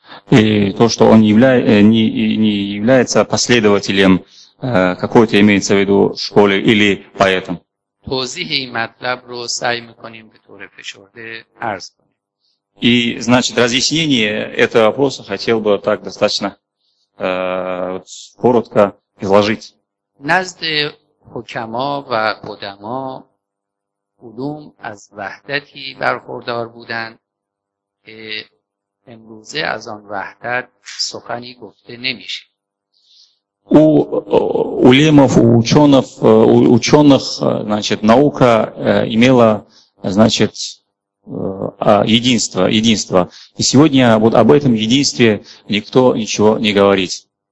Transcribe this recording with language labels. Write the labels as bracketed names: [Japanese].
[Russian] И то, что он не является последователем какой-то имеется в виду школы или поэтом. [Persian] توضیح این مطلب رو سعی میکنیم به طور فشرده عرض کنیم. [Russian] И, значит, разъяснение этого вопроса хотел бы так достаточно коротко изложить. [Persian] نزد حکما و قدما علوم از وحدتی برخوردار بودند که امروزه از آن وحدت سخنی گفته نمیشه. [Russian] У улемов, у ученых, значит, наука имела, значит, единство. И сегодня вот об этом единстве никто ничего не говорит.